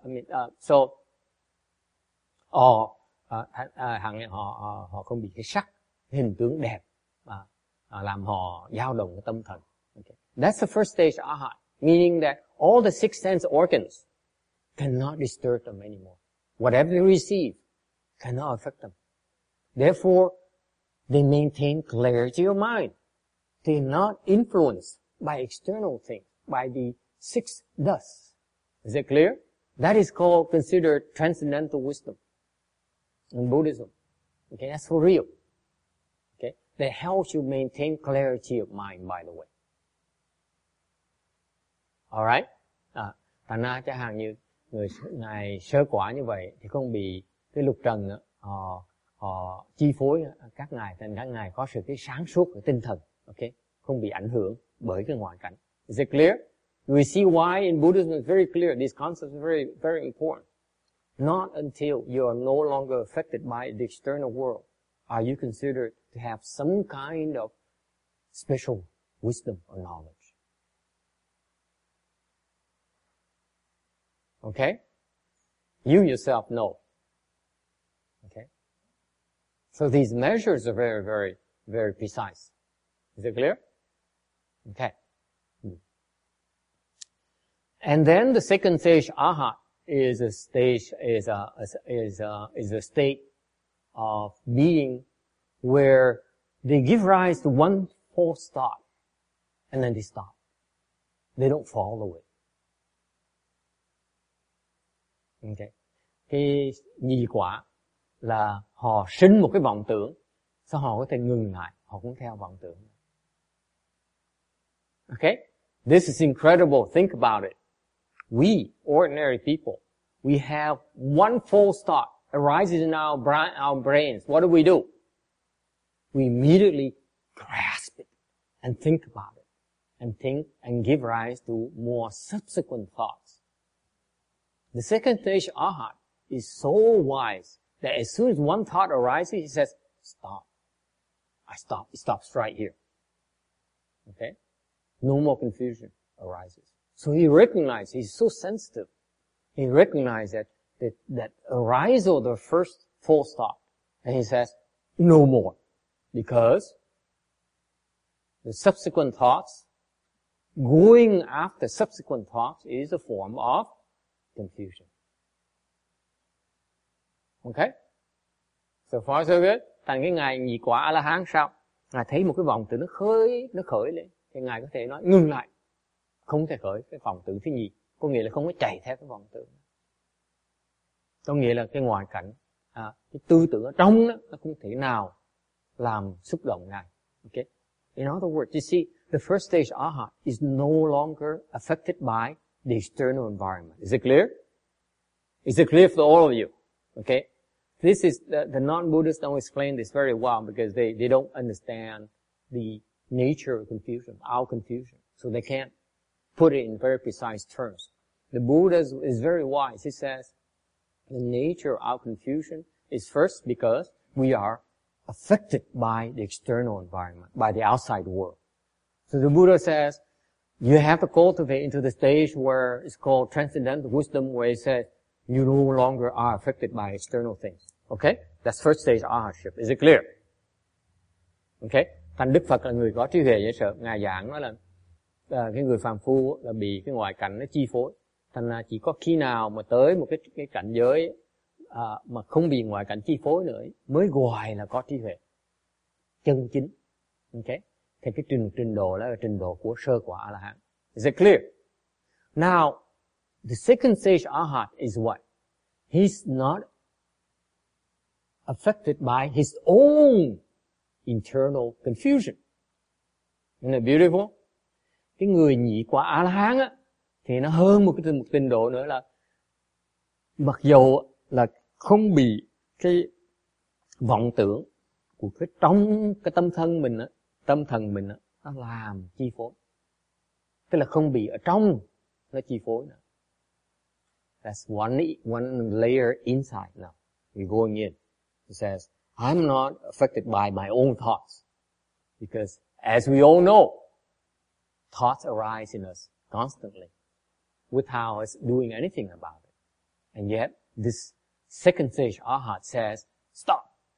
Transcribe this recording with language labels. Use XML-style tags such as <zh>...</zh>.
<en>I mean, so</en> <vi>hàng ngày họ không bị cái sắc hình tướng đẹp làm họ dao động cái tâm thần.</vi> <en>Okay. That's the first stage Arhat, meaning that all the six sense organs cannot disturb them anymore. Whatever they receive cannot affect them. Therefore, they maintain clarity of mind. They're not influenced by external things, by the six dust. Is it clear? That is called, considered transcendental wisdom in Buddhism. Okay, that's for real. That helps you maintain clarity of mind, by the way. Alright?</en> <vi>Tại na chẳng hạn như người này sơ quả như vậy thì không bị cái lục trần nữa. Họ chi phối các ngài, thành các ngài có sự cái sáng suốt của tinh thần. Okay? Không bị ảnh hưởng bởi cái ngoại cảnh.</vi> <en>Is it clear? We see why in Buddhism it's very clear. This concept is very, very important. Not until you are no longer affected by the external world are you considered to have some kind of special wisdom or knowledge. Okay? You yourself know. Okay? So these measures are very, very, very precise. Is it clear? Okay. And then the second stage, Arhat, is a state of being where they give rise to one false thought, and then they stop. They don't follow it. Okay.</en> <vi>Cái nhị quả là họ sinh một cái vọng tưởng, sau họ có thể ngừng lại, họ cũng theo vọng tưởng.</vi> <en>Okay? This is incredible. Think about it. We, ordinary people, we have one false thought arises in our brains. What do? We immediately grasp it and think about it and think and give rise to more subsequent thoughts. The second stage, Arhat, is so wise that as soon as one thought arises, he says, stop. I stop. It stops right here. Okay? No more confusion arises. So he recognizes, he's so sensitive. He recognizes that arisal, the first false thought, and he says, no more. Because the subsequent thoughts, going after subsequent thoughts is a form of confusion. Okay? So far so good.</en> <vi>Thành cái ngài nhị quả A-la-hán sao? Ngài thấy một cái vọng tưởng nó khởi lên. Thì ngài có thể nói ngừng lại. Không thể khởi cái vọng tưởng thứ nhì. Có nghĩa là không có chạy theo cái vọng tưởng. Có nghĩa là cái ngoại cảnh, cái tư tưởng ở trong đó, nó không thể nào làm xúc động ngài. Okay.</vi> <en>In other words, you see, the first stage arhat is no longer affected by the external environment. Is it clear? Is it clear for all of you? Okay? This is, the non-Buddhists don't explain this very well because they don't understand the nature of confusion, our confusion. So they can't put it in very precise terms. The Buddha is very wise. He says, the nature of our confusion is first because we are affected by the external environment, by the outside world. So the Buddha says, you have to cultivate into the stage where it's called transcendental wisdom, where he says, you no longer are affected by external things. Okay? That's first stage arhatship. Is it clear? Okay?</en> <vi>Thành Đức Phật là người có trí huệ, dễ sợ. Ngài giảng nói là cái người phàm phu là bị cái ngoại cảnh nó chi phối. Thành là chỉ có khi nào mà tới một cái cảnh giới mà không bị ngoại cảnh chi phối nữa mới gọi là có trí huệ chân chính. Okay? Thì cái trình độ là trình độ của sơ quả A-la-hán.</vi> <en>Is it clear? Now, the second stage arhat is what? He's not affected by his own internal confusion. Isn't that beautiful?</en> <vi>Cái người nhị quả A-la-hán á, thì nó hơn một trình độ nữa là mặc dù là không bị cái vọng tưởng của cái trong cái tâm thân mình á, tâm thần mình á, nó làm chi phối. Tức là không bị ở trong nó chi phối nữa.</vi> <en>That's one layer inside now. We're going in. It says, I'm not affected by my own thoughts. Because as we all know, thoughts arise in us constantly without us doing anything about it. And yet, this second stage, arhat, says, stop.</en>